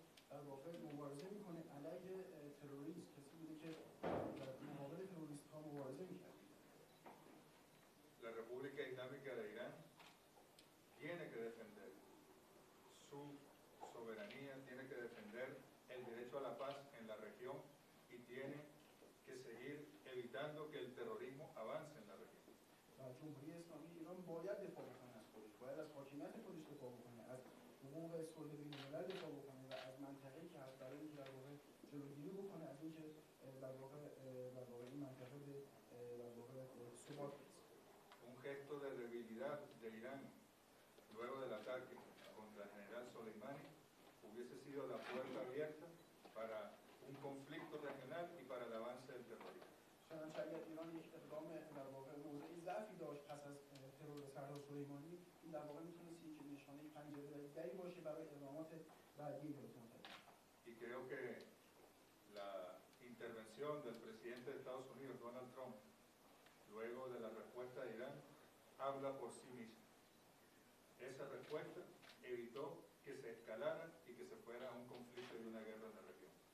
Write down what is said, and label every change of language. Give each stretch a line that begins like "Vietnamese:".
Persian: در واقع مبارزه میکنه علیه تروریست کسی بوده که در مقابل تروریست ها مبارزه میکرده
Spanish: La República Islámica de Irán tiene que defender su soberanía, tiene que defender el derecho a la paz en la región y tiene que seguir evitando que el terrorismo avance en la región.
Persian: جمهوری اسلامی ایران باید دفاع بکنه از خودش، باید از حاکمیت خودش دفاع بکنه، از حقوق صلح بین الملل دفاع بکنه و از منطقه‌ای که هست برای اینکه در واقع جلوگیری بکنه از اینکه در واقع این منطقه به در واقع ثبات
Spanish: Un gesto de debilidad de Irán luego del ataque contra el general Soleimani hubiese sido la puerta abierta para un conflicto regional y para el avance del terrorismo.
Persian: شاید شاید ایران یک اقدام در واقع موضعی ضعفی داشت پس از ترور سرهاد سلیمانی این در واقع میتونست یک نشانه پنجره دری باشه برای اقدامات بعدی دولت
Spanish: Y creo que la intervención del presidente de Estados Unidos, Donald Trump, luego de la respuesta de Irán, habla por sí misma. Esa respuesta evitó que se escalara y que se fuera a un conflicto y una guerra en la región.